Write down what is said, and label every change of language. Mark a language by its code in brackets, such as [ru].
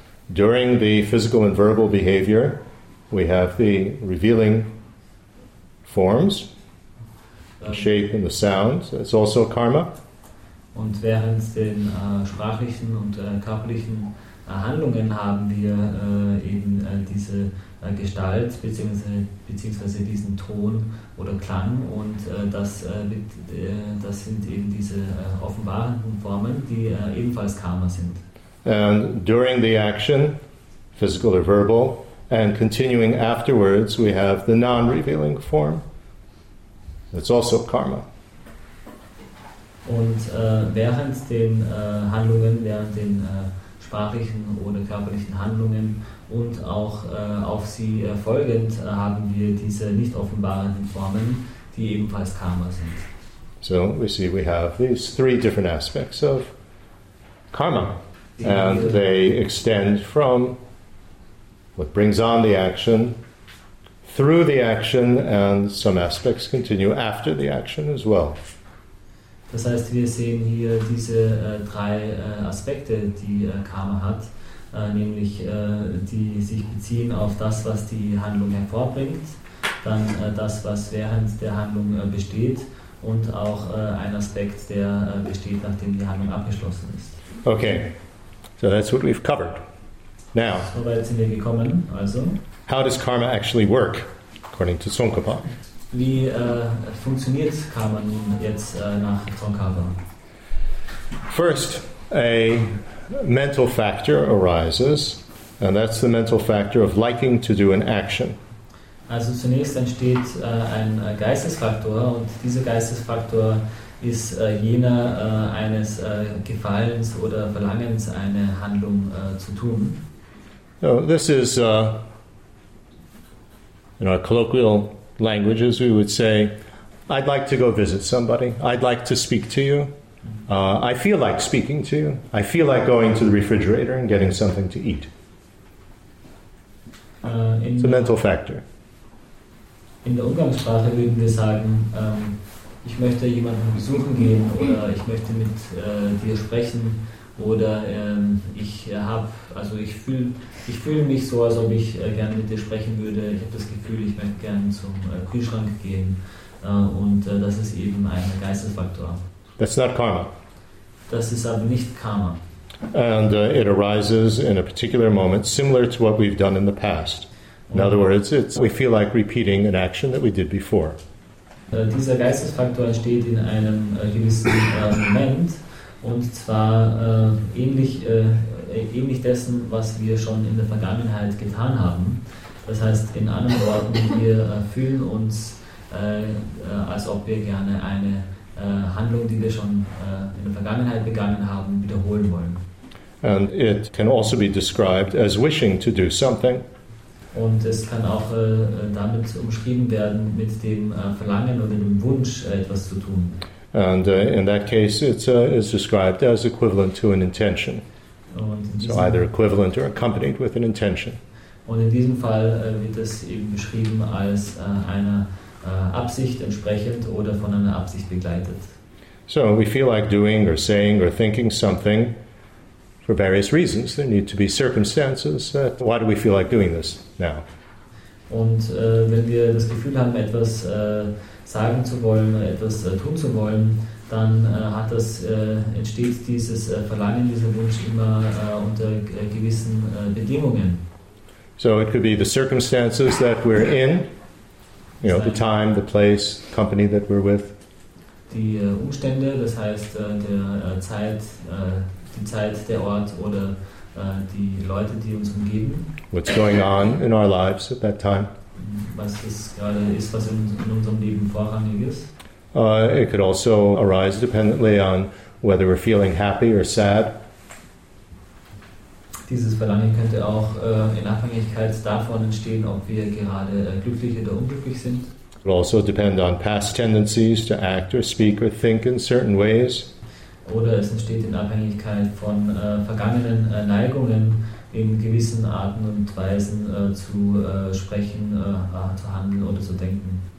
[en] During the physical and verbal behavior, we have the revealing forms, the shape and the sound. It's also karma. [de] Und während den sprachlichen und körperlichen Handlungen haben wir eben diese Gestalt beziehungsweise diesen Ton oder Klang und das sind eben diese offenbarenden Formen, die ebenfalls Karma sind. [en] And during the action, physical or verbal, and continuing afterwards, we have the non-revealing form. That's also Karma. [de] Und während den Handlungen, während den sprachlichen oder körperlichen Handlungen und auch auf sie folgend haben wir diese nicht offenbarenden Formen, die ebenfalls Karma sind. [en] So we see we have these three different aspects of karma, and they extend from what brings on the action, through the action, and some aspects continue after the action as well. [de] Das heißt, wir sehen hier diese drei Aspekte, die Karma hat, nämlich die sich beziehen auf das, was die Handlung hervorbringt, dann das, was während der Handlung besteht und auch ein Aspekt, der besteht, nachdem die Handlung abgeschlossen ist. [en] Okay, so that's what we've covered. Now, [de] so weit sind wir gekommen, also. [en] How does karma actually work, according to Tsongkhapa? [de] Wie funktioniert Karma nun jetzt nach Tsongkhapa? [en] First, a mental factor arises, and that's the mental factor of liking to do an action. [de] Also zunächst entsteht ein Geistesfaktor, und dieser Geistesfaktor ist jener eines Gefallens oder Verlangens, eine Handlung zu tun. [en] So, this is, in our colloquial languages, we would say, I'd like to go visit somebody. I'd like to speak to you. I feel like speaking to you. I feel like going to the refrigerator and getting something to eat. It's a mental factor. [de] In der Umgangssprache würden wir sagen, ich möchte jemanden besuchen gehen oder ich möchte mit dir sprechen oder ich fühle mich so, als ob ich gerne mit dir sprechen würde. Ich habe das Gefühl, ich möchte gerne zum Kühlschrank gehen und das ist eben ein Geistesfaktor. [en] That's not karma. [de] Das ist aber nicht Karma. [en] And it arises in a particular moment, similar to what we've done in the past. In other words, we feel like repeating an action that we did before. [de] Dieser Geistesfaktor entsteht in einem gewissen Moment, und zwar ähnlich dessen, was wir schon in der Vergangenheit getan haben. Das heißt, in anderen Worten, wir fühlen uns, als ob wir gerne eine Handlung, die wir schon in der Vergangenheit begangen haben, wiederholen wollen. [en] And it can also be described as wishing to do something. [de] Und es kann auch damit umschrieben werden, mit dem Verlangen oder dem Wunsch, etwas zu tun. [en] And in that case, it's described as equivalent to an intention. So either equivalent or accompanied with an intention. [de] Und in diesem Fall wird es eben beschrieben als einer Absicht entsprechend oder von einer Absicht begleitet. [en] So we feel like doing or saying or thinking something for various reasons. There need to be circumstances. Why do we feel like doing this now? [de] Und wenn wir das Gefühl haben, etwas sagen zu wollen, etwas tun zu wollen, dann entsteht dieses Verlangen, dieser Wunsch immer unter gewissen Bedingungen. [en] So it could be the circumstances that we're in, you know, the time, the place, company that we're with. [de] Die Umstände, das heißt der Zeit, die Zeit, der Ort oder die Leute, die uns umgeben. [en] What's going on in our lives at that time? [de] Was ist gerade ist, was in unserem Leben vorrangig ist? [en] It could also arise dependently on whether we're feeling happy or sad. [de] Dieses Verlangen könnte auch in Abhängigkeit davon entstehen, ob wir gerade glücklich oder unglücklich sind. [en] It would also depend on past tendencies to act or speak or think in certain ways. [de] Oder es entsteht in Abhängigkeit von vergangenen Neigungen, in gewissen Arten und Weisen zu sprechen, zu handeln oder zu denken.